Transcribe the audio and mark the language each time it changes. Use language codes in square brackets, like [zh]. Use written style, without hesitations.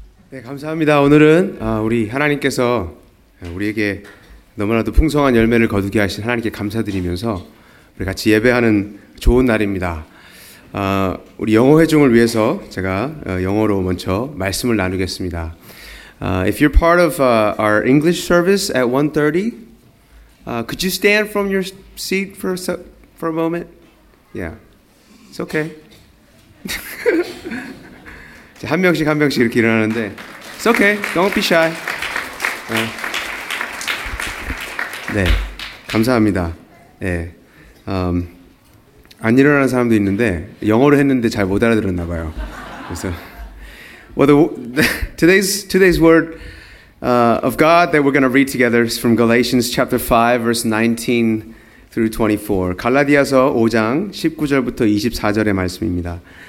[ko] 네, 감사합니다. 오늘은 우리 하나님께서 우리에게 너무나도 풍성한 열매를 거두게 하신 하나님께 감사드리면서 우리 같이 예배하는 좋은 날입니다. 우리 영어 회중을 위해서 제가 영어로 먼저 말씀을 나누겠습니다. [en] If you're part of our English service at 1:30, could you stand from your seat for a moment? Yeah, it's okay. [ko] 한 명씩 한 명씩 이렇게 일어나는데 [en] It's okay, don't be shy. [ko] 네, 감사합니다. 네. 안 일어나는 사람도 있는데 영어로 했는데 잘 못 알아들었나 봐요. 그래서 [en] Well, today's word of God that we're going to read together is from Galatians chapter 5, verse 19 through 24. [ko] 갈라디아서 5장 19절부터 24절의 말씀입니다.